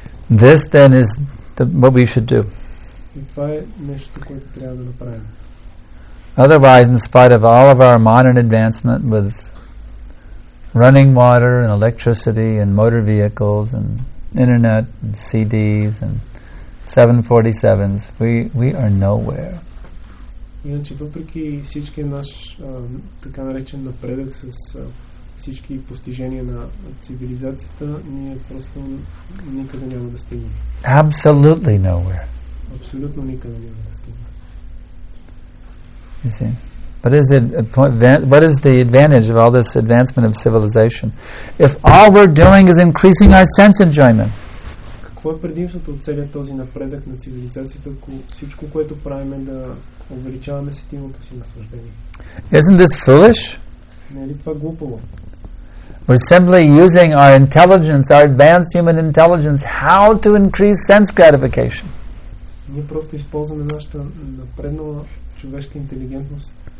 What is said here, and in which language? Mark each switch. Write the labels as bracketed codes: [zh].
[en] This then is what we should do. [bg] И това е нещо, което трябва да направим. [en] Otherwise, in spite of all of our modern advancement with running water and electricity and motor vehicles and internet and CDs and 747s. We are nowhere. [bg] Иначе, въпреки всички наш така наречен напредък с всички постижения на цивилизацията, ние просто никъде няма да стигнем. [en] Absolutely nowhere. [bg] Абсолютно никъде няма да стигнем. [en] You see? But is it, what is the advantage of all this advancement of civilization? If all we're doing is increasing our sense enjoyment. [bg] Какво е предимството от целият този напредък на цивилизацията, ако всичко, което правим е да увеличаваме сетивното си наслаждение? [en] Isn't this foolish? [bg] Не е ли това глупово? [en] We're simply using our intelligence, our advanced human intelligence, how to increase sense gratification. [bg] Ние просто използваме нашата напреднала човешка интелигентност,